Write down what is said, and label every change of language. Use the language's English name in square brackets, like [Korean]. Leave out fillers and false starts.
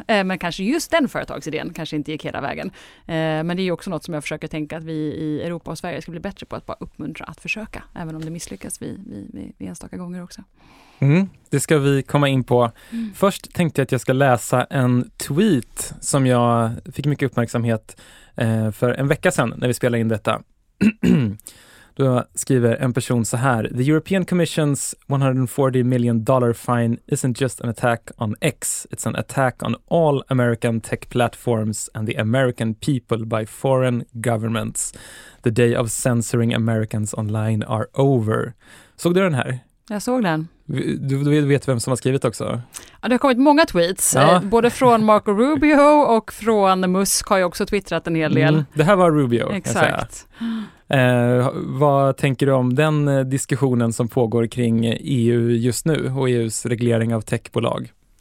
[Swedish] Men kanske just den företagsidén kanske inte gick hela vägen. Men det är ju också något som jag försöker tänka att vi i Europa och Sverige ska bli bättre på att bara uppmuntra att försöka. Även om det misslyckas vi enstaka gånger också. Mm, det ska vi komma in på. Först tänkte jag att jag ska läsa en tweet som jag fick mycket uppmärksamhet för en vecka sedan när vi spelade in detta. Då skriver en person så här: [English] The European Commission's $140 million fine isn't just an attack on X, it's an attack on all American tech platforms and the American people by foreign governments. The day of censoring Americans online are over. [Swedish] Såg du den här? Jag såg den. Du vet vem som har skrivit också. Ja, det har kommit många tweets. Ja. Både från Marco Rubio och från Musk har ju också twittrat en hel del. Det här var Rubio. Exakt. Vad tänker du om den diskussionen som pågår kring EU just nu och EUs reglering av techbolag?